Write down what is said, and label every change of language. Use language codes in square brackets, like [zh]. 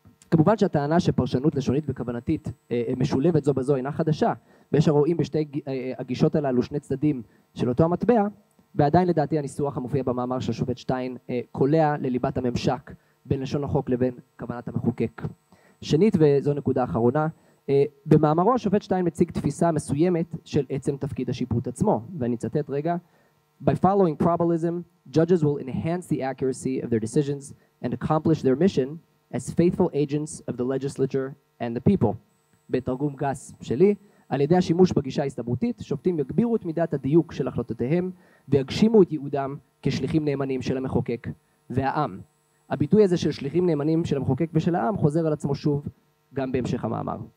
[he] כמובן שהטענה שפרשנות לשונית וכוונתית משולבת זו בזו אינה חדשה, ויש הרואים בשתי הגישות הללו שני צדדים של אותו המטבע, ועדיין לדעתי הניסוח המופיע במאמר של השופט שטיין קולע לליבת הממשק בין לשון החוק לבין כוונת המחוקק. שנית, וזו נקודה אחרונה, במאמרו השופט שטיין מציג תפיסה מסוימת של עצם תפקיד השיפוט עצמו, ואני אצטט רגע, [en] By following probabilism, judges will enhance the accuracy of their decisions and accomplish their mission as faithful agents of the legislature and the people. [he] בתרגום גס שלי, על ידי השימוש בגישה ההסתברותית, שופטים יגבירו את מידת הדיוק של החלטותיהם ויגשימו את ייעודם כשליחים נאמנים של המחוקק והעם. הביטוי הזה של שליחים נאמנים של המחוקק ושל העם חוזר על עצמו שוב גם בהמשך המאמר.